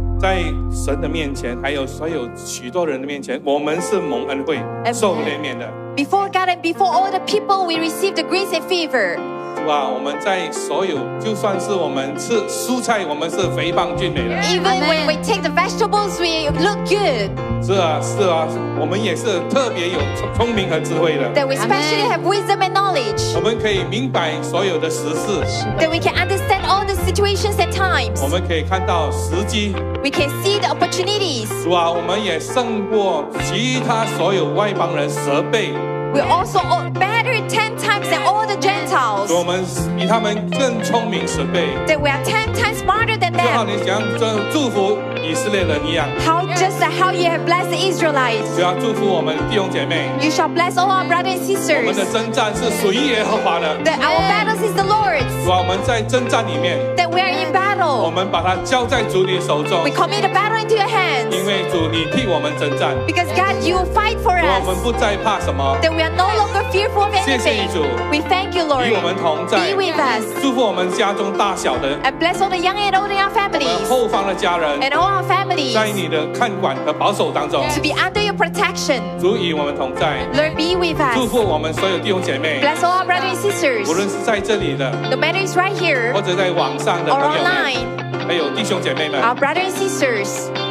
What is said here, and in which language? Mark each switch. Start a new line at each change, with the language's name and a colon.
Chinese: 在神的面前，还有所有许多人的面前，我们是蒙恩惠、受怜悯的。
English: Before God and before all the people, we receive the grace and favor.
Chinese: 主啊，我们在所有，就算是我们吃蔬菜，我们是肥胖俊美的。
English: Even when we take the vegetables, we look good.
Chinese: 是啊，是啊，我们也是特别有聪明和智慧的。
English: That we especially have wisdom and knowledge.
Chinese: 我们可以明白所有的时事。
English: That we can understand all the situations and times.
Chinese: 我们可以看到时机。
English: We can see the opportunities.
Chinese: 主啊，我们也胜过其他所有外邦人十倍。
English: We also better 10 times than all the Gentiles.
Chinese: 我们比他们更聪明十倍。
English: That we are 10 times smarter than them.
Chinese: 就好像像祝福以色列人一样。
English: How just how you have blessed the Israelites.
Chinese: 就要祝福我们弟兄姐妹。
English: You shall bless all our brothers and sisters.
Chinese: 我们的征战是属于耶和华的。
English: That our battles is the Lord's.
Chinese: 主啊，我们在征战里面。
English: That we are in battle.
Chinese: 我们把它交在主你手中。
English: We commit the battle into your hands.
Chinese: 因为主你替我们征战。
English: Because God, you fight for us.
Chinese: 主啊，我们不再怕什么。
English: That we are no longer fearful of anything.
Chinese: 谢谢主。
English: We thank you, Lord.
Chinese: 与我们同在。
English: Be with us.
Chinese: 祝福我们家中大小的。
English: And bless all the young and old in our families.
Chinese: 我们后方的家人。
English: And all our families.
Chinese: 在你的看管和保守当中。
English: To be under your protection.
Chinese: 主与我们同在。
English: Lord, be with us.
Chinese: 祝福我们所有弟兄姐妹。
English: Bless all our brothers and sisters.
Chinese: 无论是在这里的。
English: No matter it's right here.
Chinese: 或者在网上的朋友们。
English: Or online.
Chinese: 还有弟兄姐妹们。
English: Our brothers and sisters.